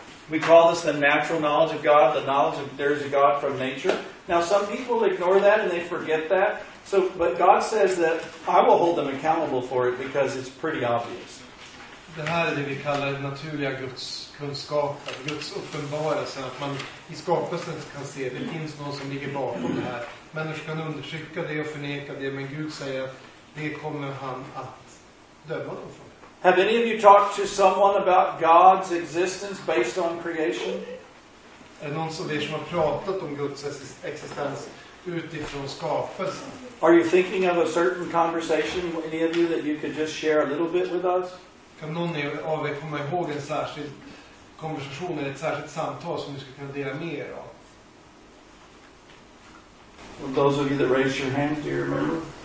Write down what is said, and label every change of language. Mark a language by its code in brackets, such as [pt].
[en] We call this the natural knowledge of God, the knowledge of there is a God from nature. Now some people ignore that and they forget that. So, but God says that I will hold them accountable for it because it's pretty obvious. [sv] Det här är det vi kallar den naturliga Guds kunskap, Guds uppenbarelse, att man i skapelsen kan se det finns någon som ligger bakom det här. Människor kan undertrycka det och förneka det, men Gud säger att det kommer han att döma dem för. [en] Have any of you talked to someone about God's existence based on creation? [sv] Är det någon av er som har pratat om Guds existens utifrån skapelsen? [en] Are you thinking of a certain conversation, any of you, that you could just share a little bit with us? [sv] Kan någon av er komma ihåg en särskild konversation eller ett särskilt samtal som ni skulle kunna dela med er av? [en] Those of you that raised your hand, do you remember?